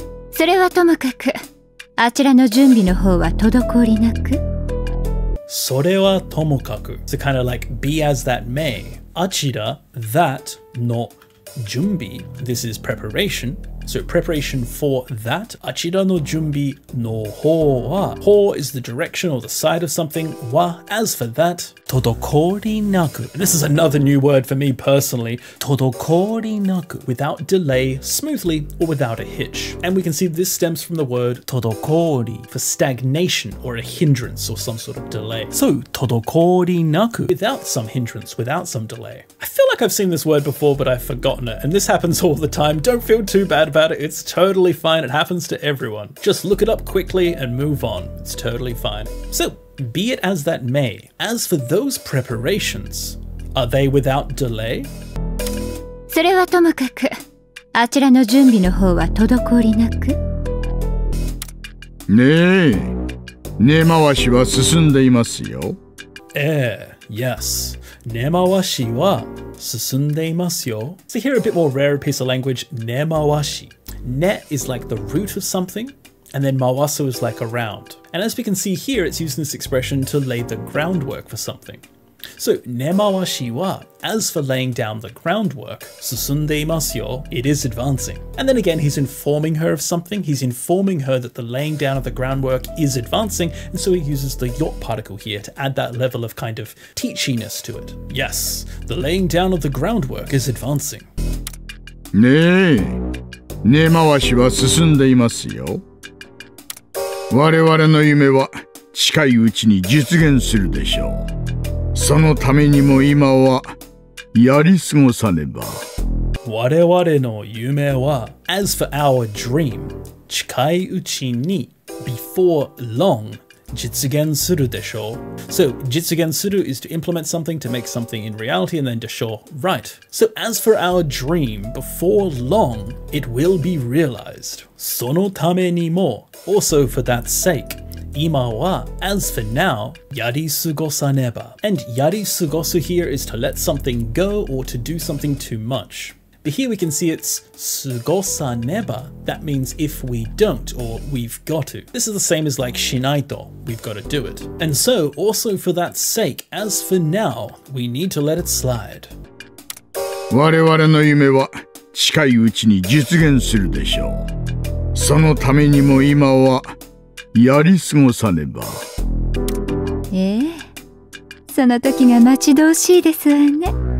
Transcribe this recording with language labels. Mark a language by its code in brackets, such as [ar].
[ja] それはともかく、あちらの準備の方は滞りなく。それはともかく。 [en] So kind of like, be as that may. [ja] Achira, [en] that, [ja] no, junbi. [en] This is preparation. So preparation for that. [ja] Achira no junbi no ho wa. [en] Ho is the direction or the side of something. Wa, as for that. Todokori naku. This is another new word for me personally. Todokori naku. Without delay, smoothly, or without a hitch. And we can see this stems from the word todokori for stagnation or a hindrance or some sort of delay. So, todokori naku. Without some hindrance, without some delay. I feel like I've seen this word before, but I've forgotten it. And this happens all the time. Don't feel too bad about it. It's totally fine. It happens to everyone. Just look it up quickly and move on. It's totally fine. So, be it as that may, as for those preparations, are they without delay? [ja] それはともかく、あちらの準備の方は滞りなく。ねえ、根回しは進んでいますよ。ええ、yes. 根回しは進んでいますよ。 [en] So here a bit more rare piece of language, 根回し。ね is like the root of something, and then 回す is like around. And as we can see here, it's using this expression to lay the groundwork for something. So, [ja] 根回しは, [en] as for laying down the groundwork, [ja] 進んでいますよ, [en] it is advancing. And then again, he's informing her of something. He's informing her that the laying down of the groundwork is advancing. And so he uses the yot particle here to add that level of kind of teachiness to it. Yes, the laying down of the groundwork is advancing. [ja] ねえ、根回しは進んでいますよ。我々の夢は近いうちに実現するでしょう。そのためにも今はやり過ごさねば。我々の夢は、 [en] as for our dream, [ja] 近いうちに、 [en] before long, [ja] 実現するでしょう。 [en] So, 実現する is to implement something, to make something in reality, and then to show, right. So, as for our dream, before long, it will be realized. [ja] そのためにも、 [en] also for that sake, [ja] 今は, [en] as for now, [ja] やり過ごさねば。 [en] And やり過ごす here is to let something go or to do something too much. But here we can see it's 過ごさねば. That means if we don't or we've got to. This is the same as like しないと.We've got to do it. And so, also for that sake, as for now, we need to let it slide. [ja] 我々の夢は近いうちに実現するでしょう。そのためにも今はやり過ごさねば。ええ、その時が待ち遠しいですわね。